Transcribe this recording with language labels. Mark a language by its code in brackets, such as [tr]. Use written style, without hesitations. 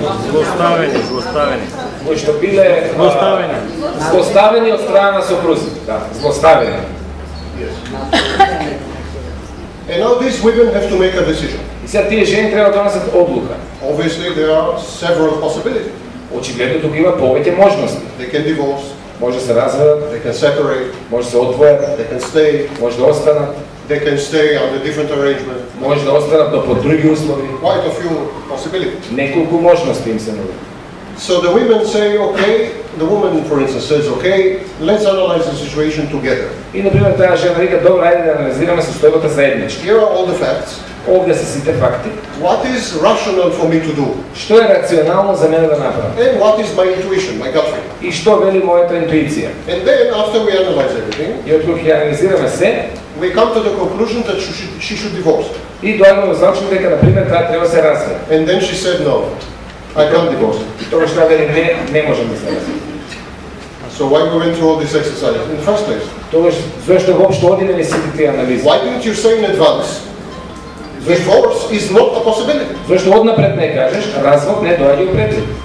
[mk] злоставени, злоставени. Кои што биле злоставени. Злоставени од страна на сопрузите, да, злоставени. [en] And now these women have to make a decision. [mk] И сега тие жени треба да донесат одлука. [en] Obviously there are several possibilities. [mk] Очигледно тука има повеќе можности. [en] They can divorce. [mk] Може се разведат. [en] They can separate. [mk] Може се одвојат. [en] They can stay. [mk] Може да останат. [en] They can stay under different arrangement. [mk] Може да останат, но под други услови. [en] Quite a few possibilities. [mk] Неколку можности им се нуди. [en] So the women say, okay, the woman, for instance, says, okay, let's analyze the situation together. [mk] И например таа жена вика, добро, ајде да анализираме состојбата заеднички. [en] Here are all the facts. [mk] Овде се сите факти. [en] What is rational for me to do? [mk] Што е рационално за мене да направам? [en] And what is my intuition, my gut feeling? [mk] И што вели мојата интуиција? [en] And then after we analyze everything, [mk] и откако ќе анализираме се, [en] we come to the conclusion that she should divorce. [mk] И дојдеме до заклучок дека на пример таа треба се разведе. [en] And then she said no. I can't divorce. [mk] Тоа што вели не можам да се разведам. [en] So why go into all this exercise in the first place? [mk] Тоа што зошто воопшто одиме сите тие анализи? [en] Why didn't you say in advance? Divorce is not a possibility. [mk] Зошто однапред не кажеш, развод не доаѓа упредвид.